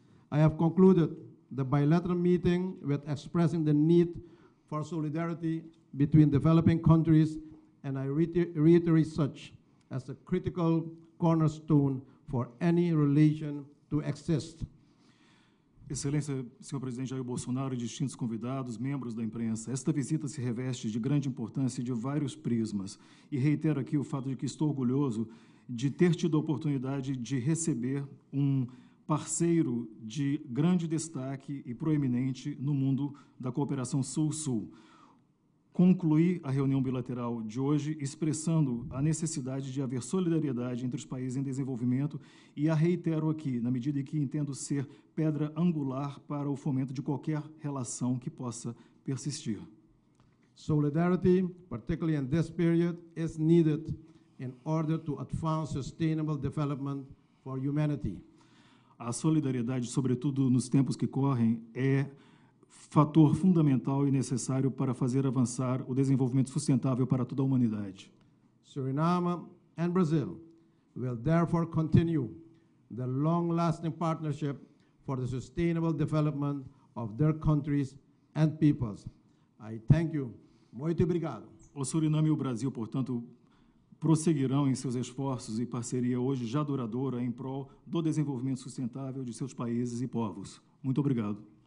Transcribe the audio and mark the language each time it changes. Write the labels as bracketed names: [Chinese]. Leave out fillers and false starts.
[English] I have concluded the bilateral meeting with expressing the need for solidarity between developing countries, and I reiterate such as a critical cornerstone for any relation to exist. [Portuguese] Excelência, senhor presidente Jair Bolsonaro, distintos convidados, membros da imprensa, esta visita se reveste de grande importância e de vários prismas. E reitero aqui o fato de que estou orgulhoso de ter tido a oportunidade de receber um parceiro de grande destaque e proeminente no mundo da cooperação Sul-Sul. Concluí a reunião bilateral de hoje expressando a necessidade de haver solidariedade entre os países em desenvolvimento e a reitero aqui, na medida em que entendo ser pedra angular para o fomento de qualquer relação que possa persistir. [English] Solidarity, particularly in this period, is needed in order to advance sustainable development for humanity. [Portuguese] A solidariedade, sobretudo nos tempos que correm, é fator fundamental e necessário para fazer avançar o desenvolvimento sustentável para toda a humanidade. [English] Suriname and Brazil will therefore continue the long-lasting partnership for the sustainable development of their countries and peoples. I thank you. [Portuguese] Muito obrigado. O Suriname e o Brasil, portanto, prosseguirão em seus esforços e parceria hoje já duradoura em prol do desenvolvimento sustentável de seus países e povos. Muito obrigado.